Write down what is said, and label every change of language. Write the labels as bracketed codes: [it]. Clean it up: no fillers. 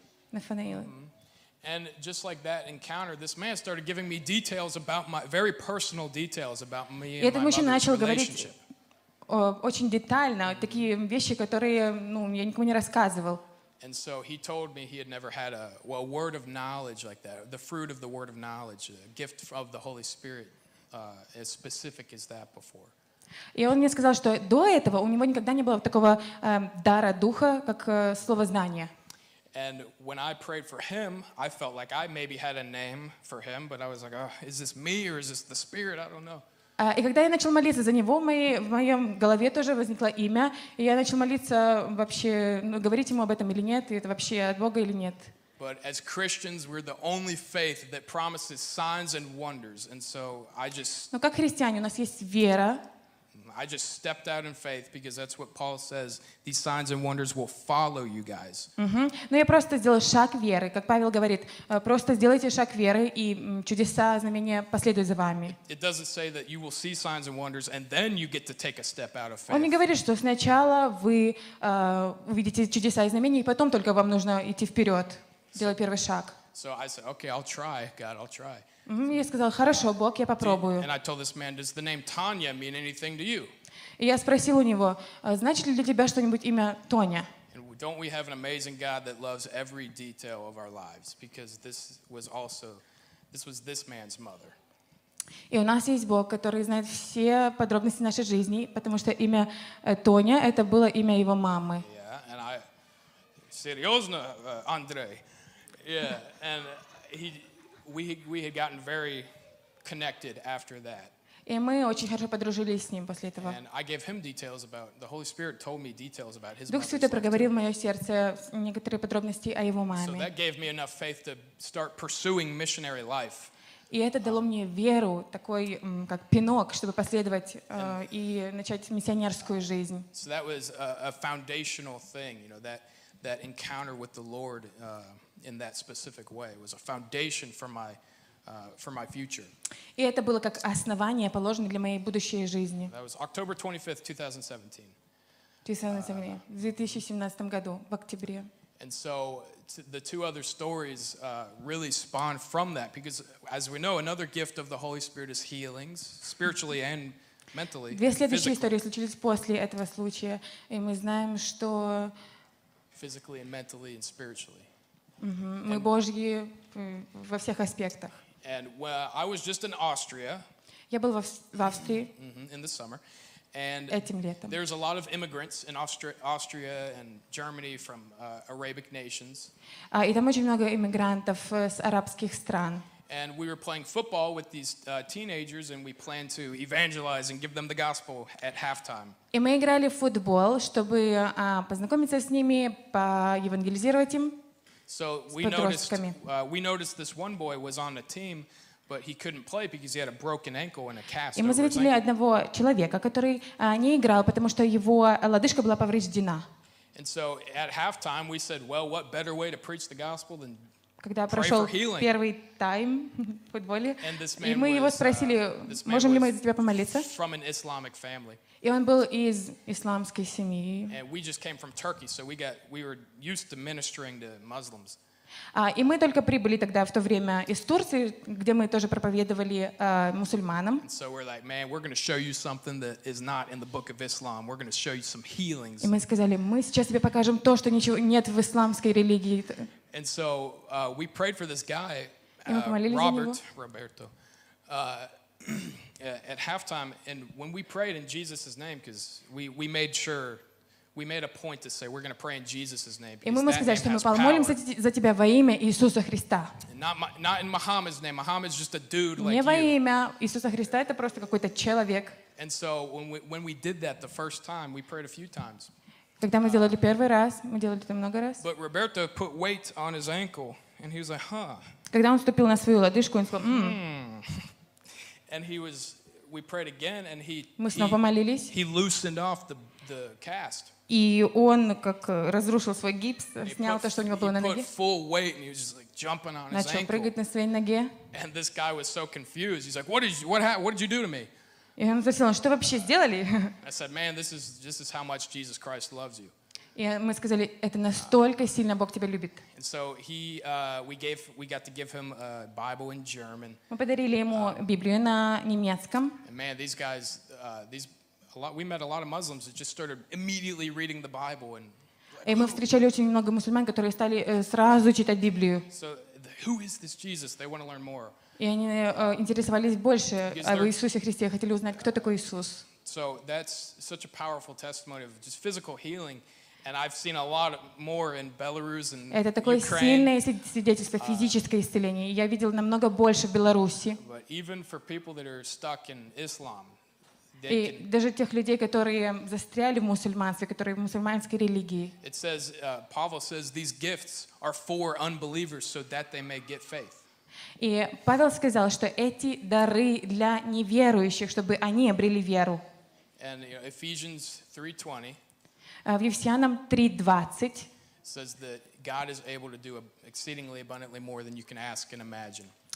[ru] Нафанаила. [en] And just like that encounter, this man started giving me details about my, very personal details about me and my mother's relationship. [ru] И этот мужчина начал говорить очень детально, такие вещи, которые, ну, я никому не рассказывал. [en] And so he told me he had never had a word of knowledge like that, the fruit of the word of knowledge, a gift of the Holy Spirit, as specific as that before. [ru] И он мне сказал, что до этого у него никогда не было такого дара духа, как слово знания. [en] And when I prayed for him, I felt like I maybe had a name for him, but I was like, oh, is this me or is this the Spirit? I don't know. [ru] И когда я начал молиться за него, в моем голове тоже возникло имя, и я начал молиться вообще, ну, говорить ему об этом или нет, и это вообще от Бога или нет. [en] But as Christians, we're the only faith that promises signs and wonders, and so I just. [ru] Но как христиане, у нас есть вера. [en] I just stepped out in faith because that's what Paul says. These signs and wonders will follow you guys. Mm-hmm. [ru] Но я просто сделал шаг веры, как Павел говорит, просто сделайте шаг веры, и чудеса, знамения последуют за вами. [en] It doesn't say that you will see signs and wonders and then you get to take a step out of faith. [ru] Он не говорит, что сначала вы увидите чудеса и знамения, и потом только вам нужно идти вперед, делать первый шаг. [en] So I said, okay, I'll try, God, I'll try. [ru] Я сказал, хорошо, Бог, я попробую. [en] And I told this man, does the name Tanya mean anything to you? [ru] И я спросил у него, значит ли для тебя что-нибудь имя Тоня? [en] And don't we have an amazing God that loves every detail of our lives? Because this was this man's mother. [ru] И у нас есть Бог, который знает все подробности нашей жизни, потому что имя Тоня, это было имя его мамы. [en] Yeah, and I, [ru] серьезно, [en] Андрей? Yeah, and we had gotten very connected after that. [ru] И мы очень хорошо подружились с ним после этого. [en] And I gave him details about the Holy Spirit told me details about his. [ru] Дух Святой проговорил в моё сердце некоторые подробности о его маме. [en] So that gave me enough faith to start pursuing missionary life. [ru] И это дало мне веру, такой как пинок, чтобы последовать и начать миссионерскую жизнь. [en] So that was a foundational thing, you know, that encounter with the Lord in that specific way was a foundation for my future. [ru] И это было как основание, положено для моей будущей жизни. [en] That was October 25th, 2017. And so the two other stories really spawn from that because, as we know, another gift of the Holy Spirit is healings, spiritually and mentally. [ru] Две следующие истории случились после этого случая, и мы знаем, что [en] physically and mentally and spiritually. [ru] Мы Божьи во всех аспектах. [en] And well, I was just in Austria. [ru] Я был в Австрии. [en] In the summer. And there's a lot of immigrants in Austria and Germany from Arabic nations. [ru] И там очень много иммигрантов с арабских стран. [en] And we were playing football with these teenagers, and we planned to evangelize and give them the gospel at halftime. [ru] И мы играли в футбол, чтобы познакомиться с ними, поевангелизировать им. [en] So we noticed this one boy was on a team. But he couldn't play because he had a broken ankle and a cast. [ru] И мы заметили одного человека, который не играл, потому что его лодыжка была повреждена. [en] And so at halftime we said, well, what better way to preach the gospel than pray for healing? [ru] Когда прошел первый тайм в футболе, и мы его спросили, можем ли мы за тебя помолиться? [en] From an Islamic family. [ru] И он был из исламской семьи. [en] And we just came from Turkey, so we were used to ministering to Muslims. [ru] И мы только прибыли тогда в то время из Турции, где мы тоже проповедовали мусульманам. [en] So we're like, man, we're going to show you something that is not in the book of Islam. We're going to show you some healings. [ru] И мы сказали, мы сейчас тебе покажем то, что ничего нет в исламской религии. [en] And so we prayed for this guy, Roberto, at halftime, and when we prayed in Jesus' name, because we made sure. We made a point to say we're going to pray in Jesus' name. [ru] И мы ему сказали, что мы помолимся за тебя во имя Иисуса Христа. [en] Not in Muhammad's name. Muhammad's just a dude like you. [ru] Не во имя Иисуса Христа, это просто какой-то человек. [en] And so when we did that the first time, we prayed a few times. [ru] Когда мы делали первый раз, мы делали это много раз. [en] But Roberto put weight on his ankle, and he was like, huh. [ru] Когда он ступил на свою лодыжку, он сказал, [en] And he was. We prayed again, and he. [ru] Мы снова молились. [en] He loosened off the cast. [ru] И он как разрушил свой гипс, снял то, что у него было на ноге. [en] He put full weight and he was just like jumping on his ankle. [ru] Начал прыгать на своей ноге. [en] And this guy was so confused. He's like, what did you do to me? [ru] И он спросил, что вообще сделали? [en] I said, man, this is how much Jesus Christ loves you. [ru] И мы сказали, это настолько сильно Бог тебя любит. [en] And so we got to give him a Bible in German. [ru] Мы подарили ему Библию на немецком. [en] And man, these guys, we met a lot of Muslims that just started immediately reading the Bible and. [ru] И мы встречали очень много мусульман, которые стали сразу читать Библию. [en] So who is this Jesus? They want to learn more. [ru] И они интересовались больше о Иисусе Христе, хотели узнать, кто такой Иисус. [en] So that's such a powerful testimony of just physical healing, and I've seen a lot more in Belarus and Ukraine. [ru] Это такое сильное свидетельство физическое исцеление. Я видел намного больше в Беларуси. [en] But even for people that are stuck in Islam. [ru] И даже тех людей, которые застряли в мусульманстве, которые в мусульманской религии. [en] It says, Paul says these gifts are for unbelievers so that they may get faith. [ru] И Павел сказал, что эти дары для неверующих, чтобы они обрели веру. [en] And you know, Ephesians 3:20. [ru] В Ефесянам 3:20. [en] Says that God is able to do exceedingly abundantly more than you can ask and imagine.